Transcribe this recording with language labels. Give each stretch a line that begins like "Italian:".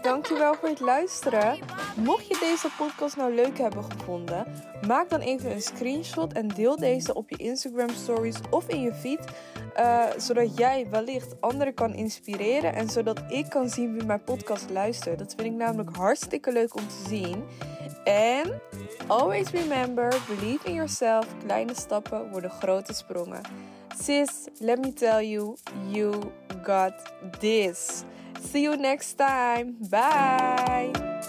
Dutch: Dankjewel voor het luisteren. Mocht je deze podcast nou leuk hebben gevonden, maak dan even een screenshot en deel deze op je Instagram stories of in je feed. Zodat jij wellicht anderen kan inspireren en zodat ik kan zien wie mijn podcast luistert. Dat vind ik namelijk hartstikke leuk om te zien. En
English: always remember, believe in yourself.
Dutch: Kleine stappen worden grote sprongen.
English: Sis, let me tell you, you got this. See you next time. Bye!